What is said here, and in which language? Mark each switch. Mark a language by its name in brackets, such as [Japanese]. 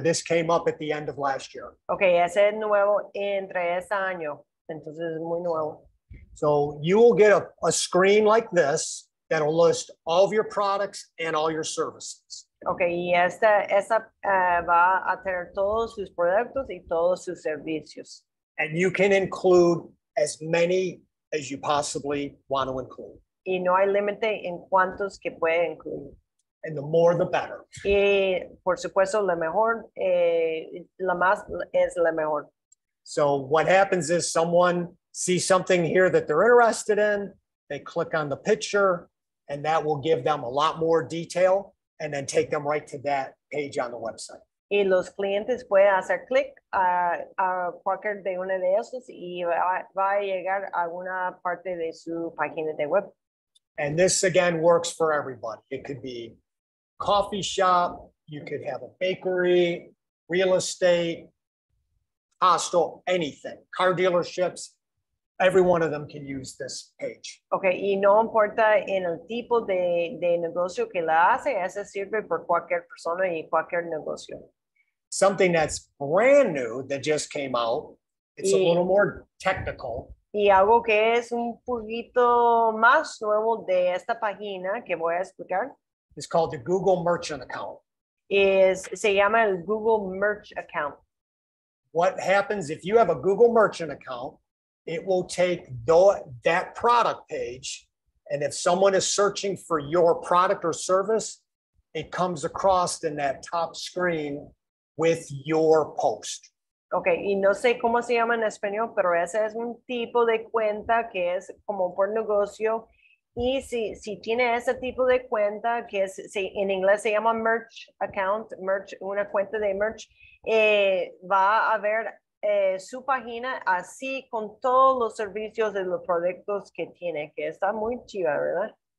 [English] This came up at the end of last year. [Spanish] Okay, ese es nuevo entre ese año. Entonces es muy nuevo. [English] So you will get a screen like this that will list all of your products and all your services. [Spanish] Okay, y va a tener todos sus productos y todos sus servicios. [English] And you can include as many as you possibly want to include. [Spanish] Y no hay límite en cuántos que puede incluir. [English] And the more the better. [Spanish] Y por supuesto, lo mejor, la más es la mejor. [English] So what happens is someone sees something here that they're interested in, they click on the picture, and that will give them a lot more detail, and then take them right to that page on the website. [Spanish] Y los clientes pueden hacer clic a cualquier de uno de estos y va a llegar a una parte de su página de web. [English] And this, again, works for everybody. It could be coffee shop, you could have a bakery, real estate, hostel, anything, car dealerships. Every one of them can use this page. [Spanish] Okay, y no importa en el tipo de negocio que la hace, esa sirve por cualquier persona y cualquier negocio. [English] Something that's brand new that just came out, it's a little more technical. [Spanish] Y algo que es un poquito más nuevo de esta página que voy a explicar. [English] It's called the Google Merchant Account. [Spanish] Se llama el Google Merch Account. [English] What happens if you have a Google Merchant Account, it will take that product page, and if someone is searching for your product or service, it comes across in that top screen with your post. [Spanish] Okay, y no sé cómo se llama en español, pero ese es un tipo de cuenta que es como por negocio. Y si tiene ese tipo de cuenta, que es, si, en inglés se llama merch account, merch, una cuenta de merch, va a ver su página así con todos los servicios y los productos que tiene, que está muy chiva, ¿verdad?